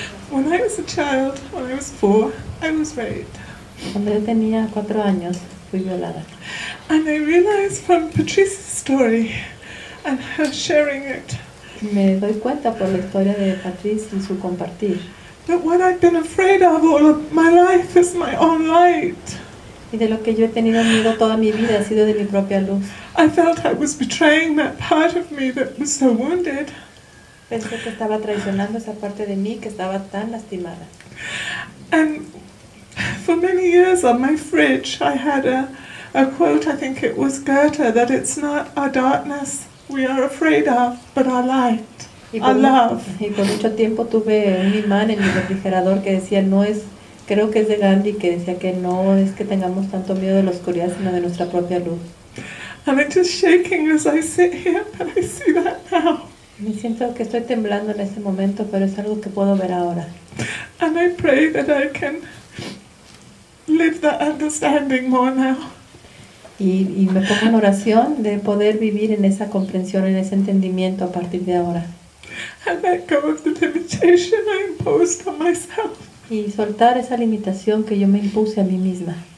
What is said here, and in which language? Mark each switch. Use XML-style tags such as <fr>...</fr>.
<en>When I was a child, when I was four, I was raped.</en> <es>Cuando yo tenía 4 años, fui violada.</es> <en>And I realized from Patrice's story and her sharing it.</en> <es>Me doy cuenta por la historia de Patrice y su compartir.</es> <en>But what I've been afraid of all of my life is my own light.</en> <es>Y de lo que yo he tenido miedo toda mi vida ha sido de mi propia luz.</es> <en>I felt I was betraying that part of me that was so wounded.</en> <es>Pensé que estaba traicionando esa parte de mí que estaba tan lastimada.</es> <en>And for many years on my fridge I had a quote, I think it was Goethe, that it's not our darkness we are afraid of, but our light, our love.</en> <es>Y por mucho tiempo tuve un imán en mi refrigerador que decía, no es, creo que es de Gandhi, que decía que no es que tengamos tanto miedo de la oscuridad, sino de nuestra propia luz.</es> <en>And I'm just shaking as I sit here, but I see that now.</en> <es>Me siento que estoy temblando en ese momento, pero es algo que puedo ver ahora.</es> <en>And I pray that I can live that understanding more now.</en> <es>Y me pongo en oración de poder vivir en esa comprensión, en ese entendimiento a partir de ahora.</es> <en>And let go of the limitation I imposed on myself.</en> <es>Y soltar esa limitación que yo me impuse a mí misma.</es>